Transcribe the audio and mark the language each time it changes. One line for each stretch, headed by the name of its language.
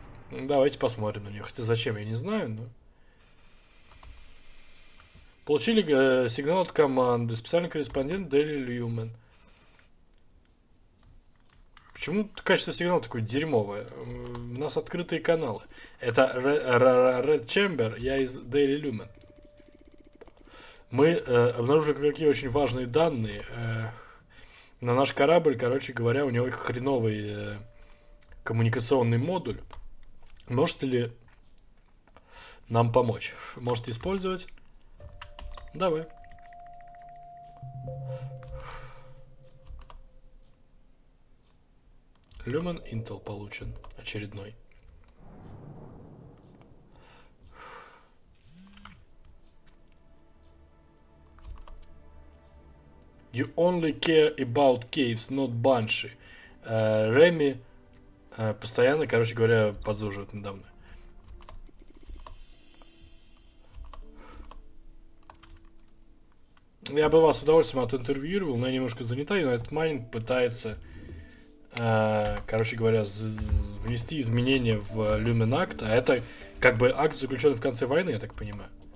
Russian: Давайте посмотрим на нее. Хотя зачем, я не знаю, но... Получили сигнал от команды. Специальный корреспондент Daily Lumen. Почему качество сигнала такое дерьмовое? У нас открытые каналы. Это Red Chamber, я из Daily Lumen. Мы обнаружили какие очень важные данные. На наш корабль, короче говоря, у него хреновый коммуникационный модуль. Можете ли нам помочь? Можете использовать? Давай. Lumen Intel получен. Очередной.
English: You only care about caves, not banshee.
Russian: Реми постоянно, короче говоря, подзуживает надо мной. Я бы вас с удовольствием отинтервьюировал, но я немножко занята, и этот майнинг пытается, короче говоря, внести изменения в Lumen Act, а это как бы акт, заключенный в конце войны, я так понимаю.